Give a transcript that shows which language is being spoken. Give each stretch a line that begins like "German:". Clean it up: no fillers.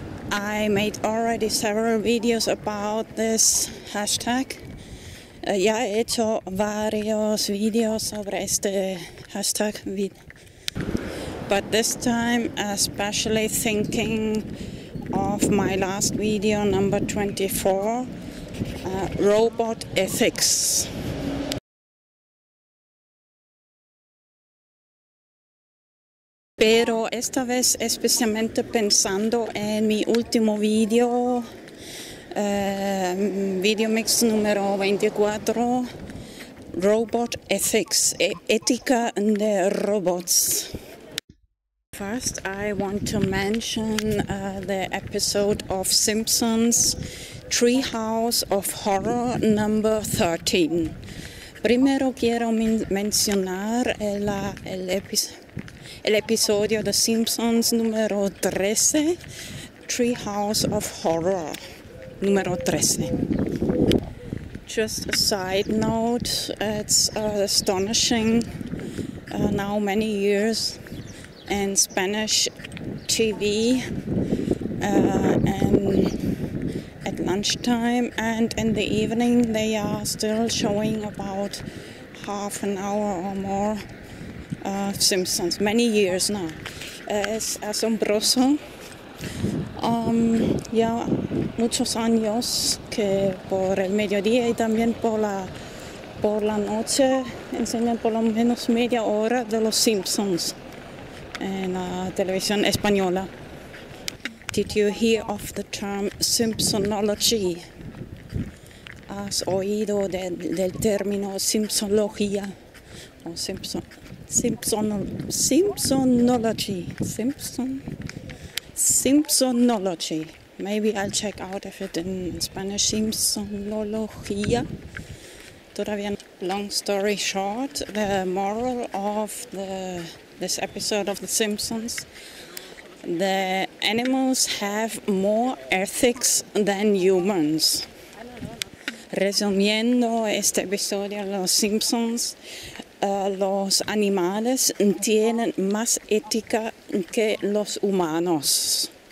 English: I made already several videos about this hashtag.
Spanish: Ya he hecho varios videos sobre este hashtag.
English: But this time, especially thinking of my last video, number 24, robot ethics.
Spanish: Pero esta vez especialmente pensando en mi último video, VideoMix número 24, Robot Ethics, ética de robots.
English: First, I want to mention the episode of Simpsons, Treehouse of Horror, number 13.
Spanish: Primero quiero mencionar el episodio de Simpsons número 13, Treehouse of Horror, número 13.
English: Just a side note, it's astonishing, now many years in Spanish TV and at lunchtime and in the evening they are still showing about half an hour or more Simpsons, many years now.
Spanish: Es asombroso. Ya muchos años que por el mediodía y también por la noche enseñan por lo menos media hora de los Simpsons en la televisión española.
English: Did you hear of the term Simpsonology?
Spanish: ¿Has oído del término Simpsonología? O Simpsonology.
English: Maybe I'll check out if it in Spanish. Simpsonología.
Spanish: Todavía.
English: Long story short, the moral of this episode of The Simpsons: the animals have more ethics than humans.
Spanish: Resumiendo este episodio de Los Simpsons, los animales tienen más ética que los humanos.